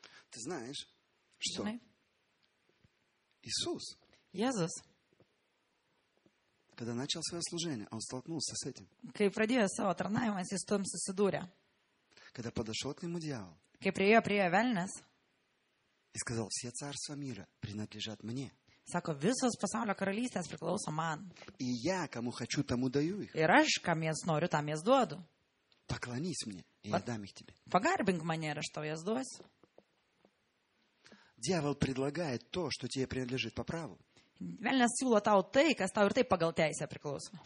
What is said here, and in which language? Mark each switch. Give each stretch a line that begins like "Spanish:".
Russian: Ты знаешь, что Иисус.
Lithuanian: Jėzus.
Russian: Когда начал свое служение, он столкнулся с этим.
Lithuanian: Kai pradėjo savo tarnavimą, jis tuom susidūrė.
Russian: Когда подошел к нему дьявол.
Lithuanian: Kai priėjo velnės.
Russian: И сказал, все царства мира принадлежат мне.
Lithuanian: Sako, visos pasaulio karalystės priklauso man.
Russian: И я, кому хочу, тому даю их.
Lithuanian: Ir aš, kam jas noriu, tam jas duodu.
Russian: Поклонись мне, и я дам их тебе.
Lithuanian: Pagarbink mane, ir aš tau jas duosiu.
Russian: Дьявол предлагает то, что тебе принадлежит по праву.
Lithuanian: Velnės siūlo tau tai, kas tau ir taip pagal teisę priklauso.